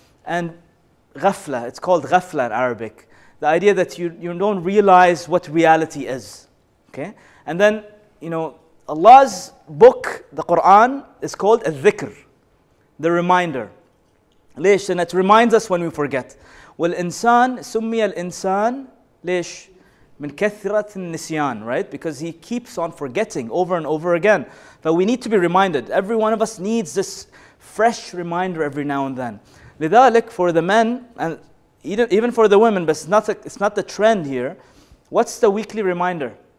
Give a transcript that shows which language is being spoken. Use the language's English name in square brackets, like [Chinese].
[English] And ghafla, it's called ghafla in Arabic. The idea that you don't realize what reality is. Okay? And then, Allah's book, the Quran, is called al-dhikr, the reminder. ليش؟ And it reminds us when we forget. [Arabic] والإنسان سمي الإنسان ليش؟ من كثرة النسيان, right? [English] Because he keeps on forgetting over and over again. But we need to be reminded. Every one of us needs this fresh reminder every now and then. لذلك, for the men, and even for the women, but it's not the trend here. What's the weekly reminder?